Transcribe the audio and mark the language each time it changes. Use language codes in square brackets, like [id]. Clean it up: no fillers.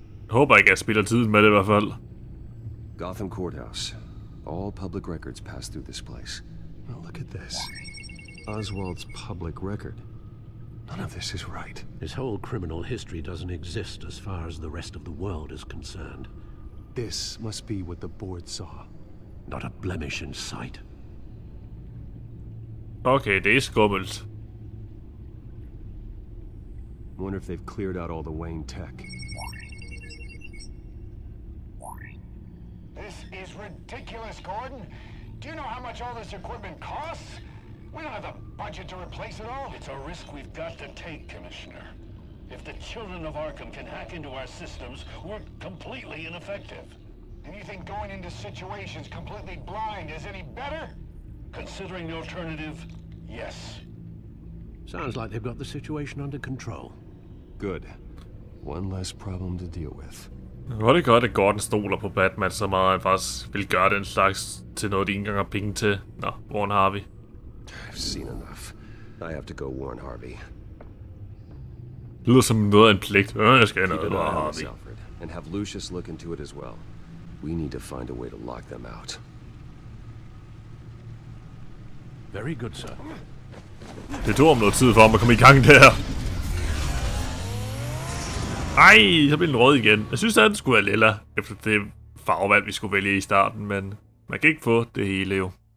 [da] Håber ikke, jeg spiller tiden med det i hvert fald. [en] Gotham Courthouse. All public records pass through this place. Now look at this. Oswald's public record. None of this is right. His whole criminal history doesn't exist as far as the rest of the world is concerned. This must be what the board saw. Not a blemish in sight. [da] Okay, det er skummelt. [en] Wonder if they've cleared out all the Wayne tech. This is ridiculous, Gordon. Do you know how much all this equipment costs? We don't have the budget to replace it all. It's a risk we've got to take, Commissioner. If the children of Arkham can hack into our systems, we're completely ineffective. And you think going into situations completely blind is any better? Considering the alternative, yes. Sounds like they've got the situation under control. Good. One less problem to deal with. [da] Hvor er det godt, at Gordon stoler på Batman så meget, at han faktisk vil gøre den slags til noget, de ikke engang har penge til. Nå, Warren Harvey. [en] I've seen enough. I have to go Warren Harvey. [da] Det lyder som noget af en pligt. Jeg skal ind og Harvey. [en] And have Lucius look into it as well. We need to find a way to lock them out. Very good, sir. [da] Det tog om noget tid for ham at komme i gang der. Ej, så blev den rød igen. Jeg synes, at den skulle være lilla, efter det farvevalg, vi skulle vælge i starten, men man kan ikke få det hele jo.